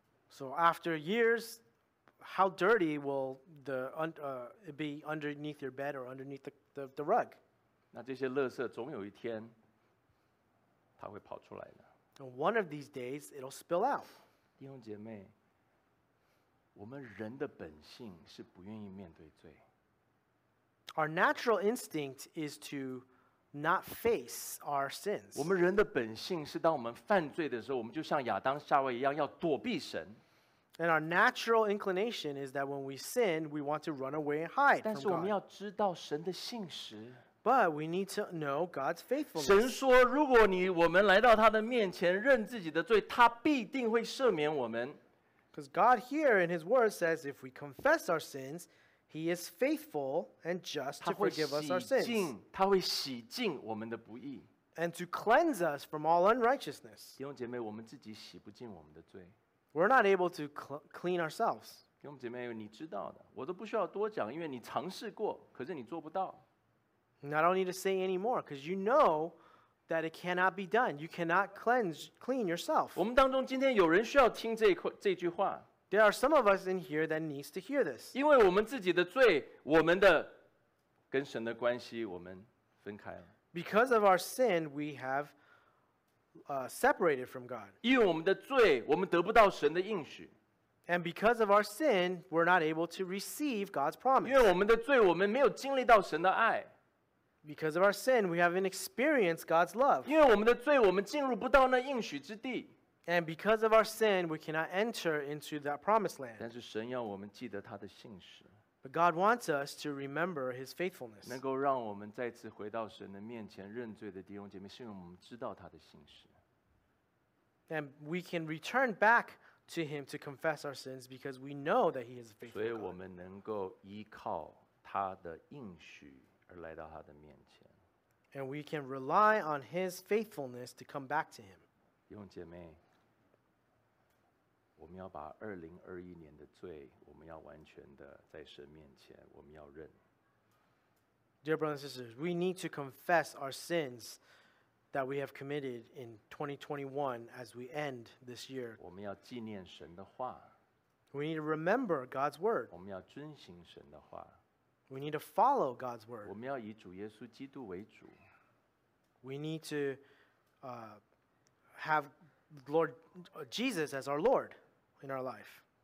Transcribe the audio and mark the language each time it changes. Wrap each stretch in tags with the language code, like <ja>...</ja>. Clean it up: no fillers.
<en>So after years, how dirty will the, be underneath your bed or underneath the rug?</en> <zh>那这些垃圾总有一天，它会跑出来的。</zh> <en>One of these days, it'll spill out.</en> <zh>弟兄姐妹，我们人的本性是不愿意面对罪。</zh> <en>Our natural instinct is to not face our sins.</en> <zh>我们人的本性是当我们犯罪的时候，我们就像亚当夏娃一样要躲避神。</zh> <en>And our natural inclination is that when we sin, we want to run away and hide from God.</en> <zh>但是我们要知道神的信实。</zh> <en>But we need to know God's faithfulness.</en> <zh>神说，如果你我们来到他的面前认自己的罪，他必定会赦免我们。</zh> <en>Because God here in His Word says, if we confess our sins, He is faithful and just to forgive us our sins.</en> <zh>他会洗净我们的不义。</zh> <en>And to cleanse us from all unrighteousness.</en> <zh>弟兄姐妹，我们自己洗不净我们的罪。</zh> <en>We're not able to clean ourselves.</en> <zh>弟兄姐妹，你知道的，我都不需要多讲，因为你尝试过，可是你做不到。</zh> <en>And I don't need to say anymore, because you know that it cannot be done. You cannot clean yourself.</en> <zh>我们当中今天有人需要听这句话。</zh> <en>There are some of us in here that needs to hear this.</en> <zh>因为我们自己的罪，我们的跟神的关系，我们分开了。</zh> <en>Because of our sin, we have separated from God.</en> <zh>因为我们的罪，我们得不到神的应许。</zh> <en>And because of our sin, we're not able to receive God's promise.</en> <zh>因为我们的罪，我们没有经历到神的爱。</zh> <en>Because of our sin, we haven't experienced God's love.</en> <zh>因为我们的罪，我们进入不到那应许之地。</zh> <en>And because of our sin, we cannot enter into that promised land.</en> <zh>但是神要我们记得他的信实。</zh> <en>But God wants us to remember His faithfulness.</en> <zh>能够让我们再次回到神的面前认罪的弟兄姐妹，是因为我们知道他的信实。</zh> <en>And we can return back to him to confess our sins because we know that he is a faithful God.</en> <zh>所以我们能够依靠他的应许而来到他的面前。</zh> <en>And we can rely on his faithfulness to come back to him.</en> <zh>弟兄姐妹，我们要把2021年的罪，我们要完全的在神面前，我们要认。</zh> <en>Dear brothers and sisters, we need to confess our sins that we have committed in 2021 as we end this year.</en> <zh>我们要纪念神的话。</zh> <en>We need to remember God's word.</en> <zh>我们要遵行神的话。</zh> <en>We need to follow God's word.</en> <zh>我们要以主耶稣基督为主。</zh> <en>We need to have Lord Jesus as our Lord in our life.</en>